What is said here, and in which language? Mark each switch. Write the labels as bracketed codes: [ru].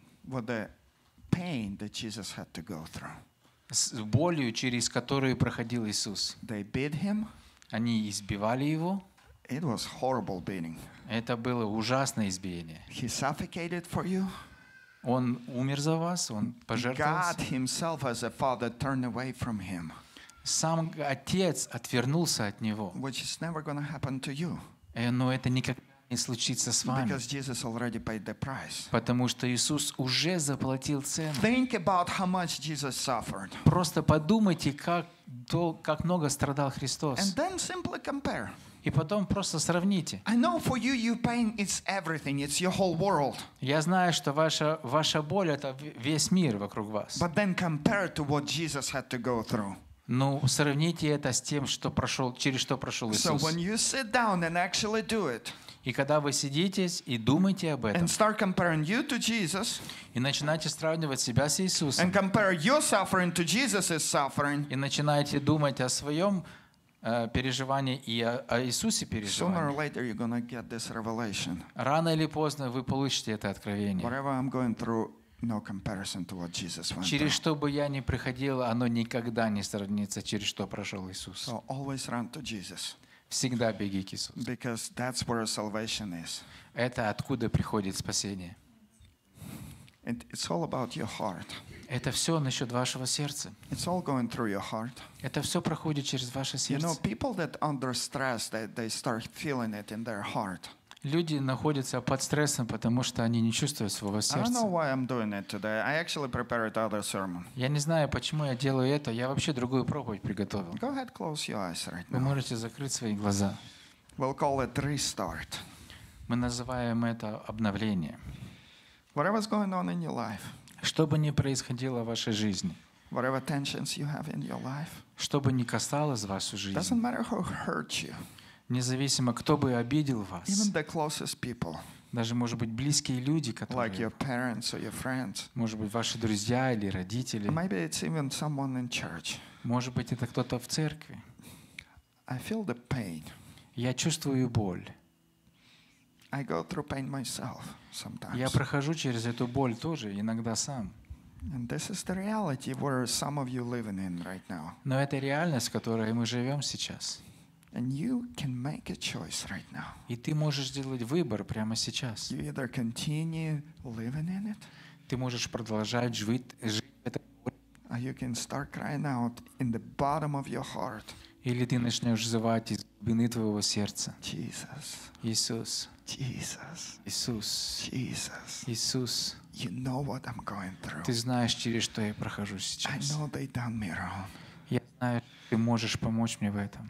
[en] What the pain that Jesus had to go through. [ru] С болью, через которую проходил Иисус. [en] They beat him. [ru] Они избивали его. [en] It was horrible beating. [ru] Это было ужасное избиение. [en] He suffocated for you. [ru] Он умер за вас, он пожертвовал. [en] God himself as a father turned away from him. [ru] Сам Отец отвернулся от него. [en] Which is never going to happen to you. [ru] Но это никогда не случится с вами. [en] Because Jesus already paid the price. [ru] Потому что Иисус уже заплатил цену. [en] Think about how much Jesus suffered. [ru] Просто подумайте, как много страдал Христос. [en] And then simply compare. [ru] И потом просто сравните. [en] I know for you, your pain is everything. It's your whole world. [ru] Я знаю, что ваша боль — это весь мир вокруг вас. [en] But then compare to what Jesus had to go through. [ru] Ну, сравните это с тем, что прошел, через что прошел Иисус. [en] So when you sit down and actually do it, [ru] и когда вы сидите и думаете об этом, [en] and start comparing you to Jesus, [ru] и начинаете сравнивать себя с Иисусом, [en] and compare your suffering to Jesus's suffering, [ru] и начинаете думать о своем переживании и о Иисусе переживании, [en] sooner or later you're gonna get this revelation. [ru] Рано или поздно вы получите это откровение. [en] Whatever I'm going through, no comparison to what Jesus went through. [ru] Через что бы я ни приходил, оно никогда не сравнится через что прошел Иисус. [en] So always run to Jesus. [ru] Всегда беги к Иисусу. [en] Because that's where salvation is. [ru] Это откуда приходит спасение. [en] And it's all about your heart. [ru] Это все насчет вашего сердца. [en] It's all going through your heart. [ru] Это все проходит через ваше сердце. [en] You know, people that under stress, they start feeling it in their heart. [ru] Люди находятся под стрессом, потому что они не чувствуют своего сердца. Я не знаю, почему я делаю это. Я вообще другую проповедь приготовил. [en] Go ahead, close your eyes right now. [ru] Вы можете закрыть свои глаза. [en] We'll call it restart. [ru] Мы называем это обновление. [en] Whatever's going on in your life. [ru] Что бы ни происходило в вашей жизни. [en] Whatever tensions you have in your life. [ru] Что бы ни касалось вас в жизни. [en] Doesn't matter who hurt you. [ru] Независимо, кто бы обидел вас. [en] Even the closest people. [ru] Даже, может быть, близкие люди, которые. [en] Like your parents or your friends. [ru] Может быть, ваши друзья или родители. [en] Maybe it's even someone in church. [ru] Может быть, это кто-то в церкви. [en] I feel the pain. [ru] Я чувствую боль. [en] I go through pain myself sometimes. [ru] Я прохожу через эту боль тоже, иногда сам. [en] And this is the reality where some of you living in right now. [ru] Но это реальность, в которой мы живем сейчас. [en] And you can make a choice right now. [ru] И ты можешь сделать выбор прямо сейчас. [en] You either continue living in it. [ru] Ты можешь продолжать жить в этом. [en] Or you can start crying out in the bottom of your heart. [ru] Или ты начнешь взывать из глубины твоего сердца. [en] Jesus. [ru] Иисус. [en] Jesus. [ru] Иисус. [en] Jesus. [ru] Иисус. [en] You know what I'm going through. [ru] Ты знаешь, через что я прохожу сейчас. [en] I know they done me wrong. [ru] Я знаю. Ты можешь помочь мне в этом.